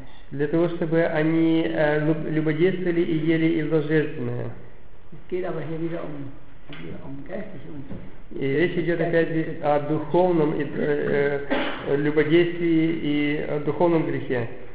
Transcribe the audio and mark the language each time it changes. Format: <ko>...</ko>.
<ru>Для того, чтобы они любодействовали и ели из лжественное.</ru> <de>Es geht aber hier wieder um geistliche Unzucht.</de> <ru>И речь идет опять здесь о духовном любодействии и о духовном грехе.</ru>